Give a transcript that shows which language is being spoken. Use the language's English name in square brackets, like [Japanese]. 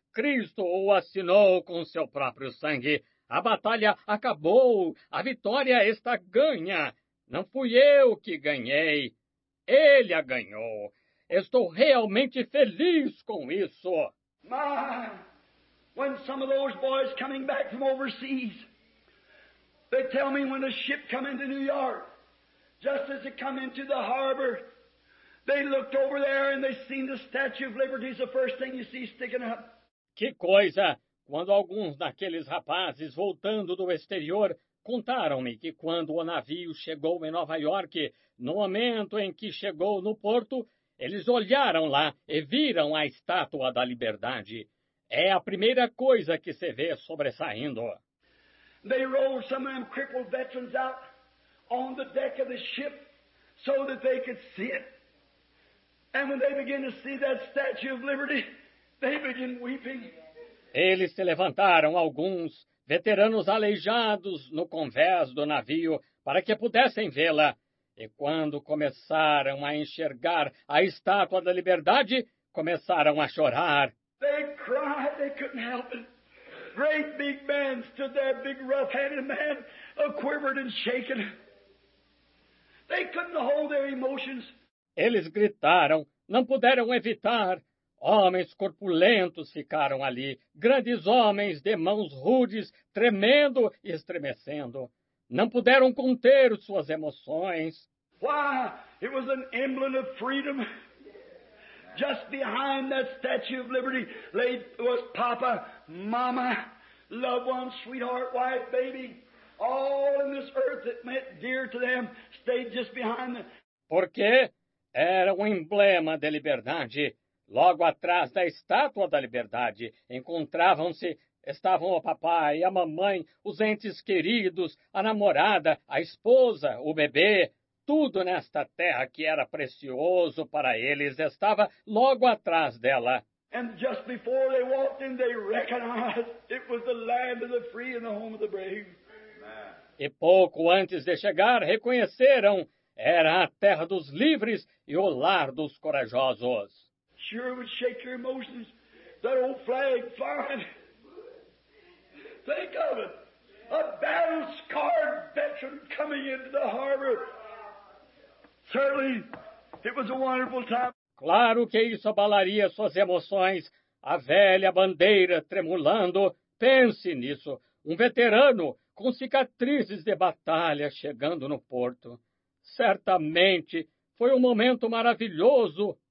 [Portuguese] Cristo o assinou com seu próprio sangue. A batalha acabou. A vitória está ganha. Não fui eu que ganhei. Ele a ganhou. Estou realmente feliz com isso. [English] My, when some of those boys coming back from overseas, they tell me when a ship come into New York, just as it come into the harbor, they looked over there and they seen the Statue of Liberty is the first thing you see sticking up. [Portuguese] Que coisa! Quando alguns daqueles rapazes voltando do exterior contaram-me que quando o navio chegou em Nova York, no momento em que chegou no porto, eles olharam lá e viram a Estátua da Liberdade. É a primeira coisa que se vê sobressaindo. [English] They rolled some of them crippled veterans out on the deck of the ship so that they could see it. And when they began to see that Statue of Liberty, they began weeping. [Portuguese] Eles se levantaram, alguns veteranos aleijados no convés do navio, para que pudessem vê-la. E quando começaram a enxergar a Estátua da Liberdade, começaram a chorar. [English] They cried, they couldn't help it. Great big man stood there, big rough-handed man, a-quivered and shaken. They couldn't hold their emotions. [Portuguese] Eles gritaram, não puderam evitar. Homens corpulentos ficaram ali, grandes homens de mãos rudes, tremendo e estremecendo. Não puderam conter suas emoções. [English] Why, it was an emblem of freedom. Just behind that Statue of Liberty lay was Papa, Mama, loved one, sweetheart, wife, baby. All in this earth that meant dear to them stayed just behind them. [Portuguese] Por quê? Era um emblema de liberdade. Logo atrás da Estátua da Liberdade encontravam-se, estavam o papai, a mamãe, os entes queridos, a namorada, a esposa, o bebê. Tudo nesta terra que era precioso para eles estava logo atrás dela. [English] And just before they walked in, they recognized it was the land of the free and the home of the brave. [Portuguese] E pouco antes de chegar, reconheceram, era a terra dos livres e o lar dos corajosos. [English] Sure would shake your emotions, that old flag flying. Think of it, a battle-scarred veteran coming into the harbor. Certainly, it was a wonderful time. [Portuguese] Claro que isso abalaria suas emoções, a velha bandeira tremulando. Pense nisso, um veterano com cicatrizes de batalha chegando no porto. Certamente, foi um momento maravilhoso.